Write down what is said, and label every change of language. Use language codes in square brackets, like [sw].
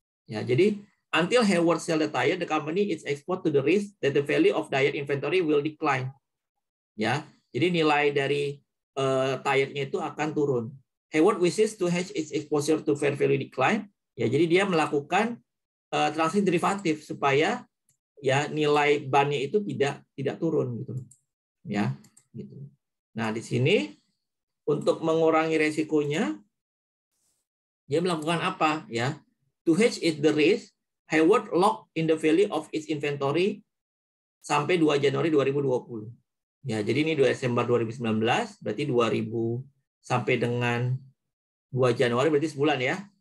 [en] Ya, jadi until Hayward sell the tire, the company is exposed to the risk that the value of tire inventory will decline. [id] Ya. Jadi nilai dari tire-nya itu akan turun. Hayward wishes to hedge its exposure to fair value decline. Ya, jadi dia melakukan transaksi derivatif supaya ya nilai ban-nya itu tidak turun gitu. Ya, gitu. Nah, di sini untuk mengurangi resikonya dia melakukan apa ya? [en] To hedge its the risk, Hayward lock in the value of its inventory sampai 2 Januari 2020. [id] Ya, jadi ini 2 Desember 2019, berarti 2000 sampai dengan 2 Januari berarti sebulan ya.